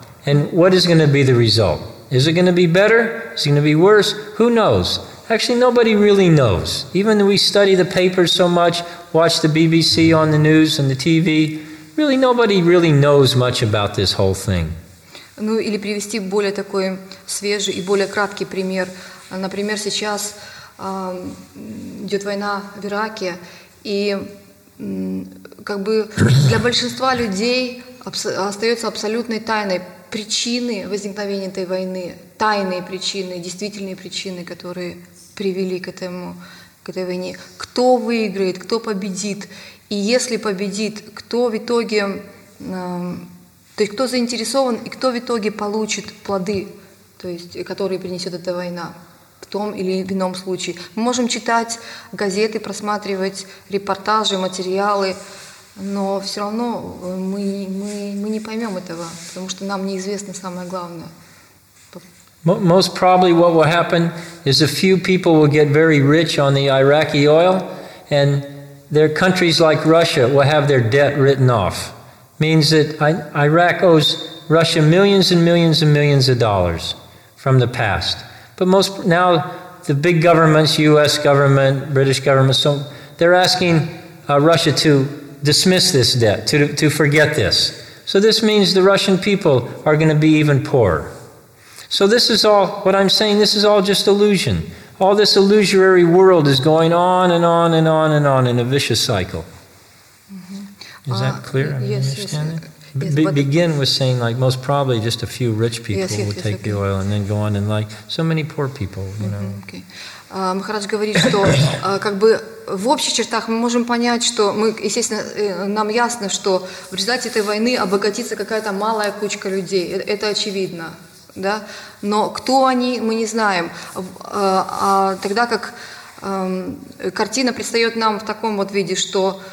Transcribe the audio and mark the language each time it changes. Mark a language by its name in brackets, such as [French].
[English] And what is going to be the result? Is it going to be better? Is it going to be worse? Who knows? Actually, nobody really knows. Even though we study the papers so much, watch the BBC on the news and the TV, really nobody really knows much about this whole thing. [Russian] Ну, или привести более такой свежий и более краткий пример. Например, сейчас идет война в Ираке, и как бы для большинства людей остается абсолютной тайной причины возникновения этой войны, тайные причины, действительные причины, которые привели к этой войне. Кто выиграет, кто победит? И если победит, кто в итоге... то есть кто заинтересован и кто в итоге получит плоды, то есть, которые принесет эта война в том или ином случае? Мы можем читать газеты, просматривать репортажи, материалы, но все равно мы не поймем этого, потому что нам неизвестно самое главное. [English] Most probably what will happen is a few people will get very rich on the Iraqi oil, and their countries like Russia will have their debt written off. Means that Iraq owes Russia millions and millions and millions of dollars from the past. But most now the big governments, U.S. government, British government, so they're asking Russia to dismiss this debt, to forget this. So this means the Russian people are going to be even poorer. So this is all, what I'm saying, this is all just illusion. All this illusory world is going on and on and on and on in a vicious cycle. Mm-hmm. Is that clear? Begin with saying like most probably just a few rich people will take the oil and then go on and like so many poor people, you know. [Russian] Махарадж говорит, что как бы в общих чертах мы можем понять, что мы, естественно, нам ясно, что в результате этой войны обогатится какая-то малая кучка людей. Это очевидно, да? Но кто они, мы не знаем. Тогда как картина предстает нам в таком вот виде, что...